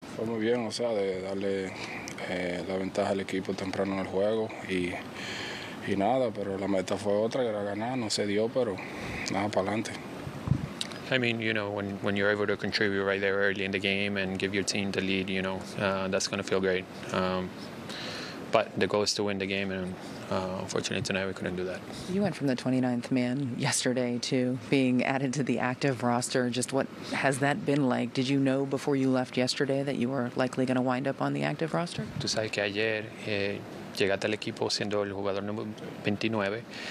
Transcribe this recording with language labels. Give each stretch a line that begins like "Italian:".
Spanish: Fue muy bien, o sea, de darle la ventaja al equipo temprano en el juego y nada, pero la meta fue otra, que era ganar, no se dio, pero nada, para adelante.
English: I mean, you know, when you're able to contribute right there early in the game and give your team the lead, you know, that's going to feel great. But the goal is to win the game, and unfortunately tonight we couldn't do that. You went from the 29th man yesterday to being added to the active roster. Just what has that been like? Did you know before you left yesterday that you were likely going to wind up on the active roster?
Spanish: Tú sabes que ayer llegaste al equipo siendo el jugador número 29.